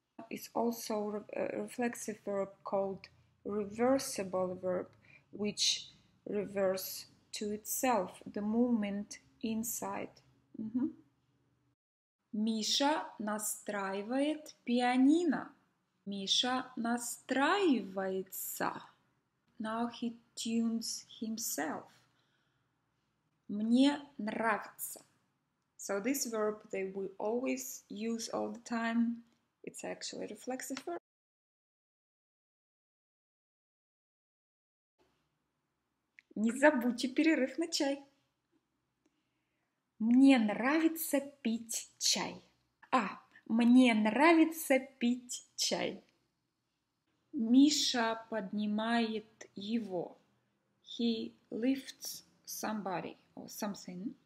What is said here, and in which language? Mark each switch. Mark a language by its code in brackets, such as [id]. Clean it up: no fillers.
[en] It's also a reflexive verb called reversible verb, which reverse to itself, the movement inside. [ru] Миша настраивает пианино. Миша настраивается. [en] Now he tunes himself. [ru] Мне нравится. [en] So this verb that we always use all the time, it's actually a reflexive verb. [ru] Не забудьте перерыв на чай. Мне нравится пить чай. Мне нравится пить чай. Миша поднимает его. [en] He lifts somebody or something.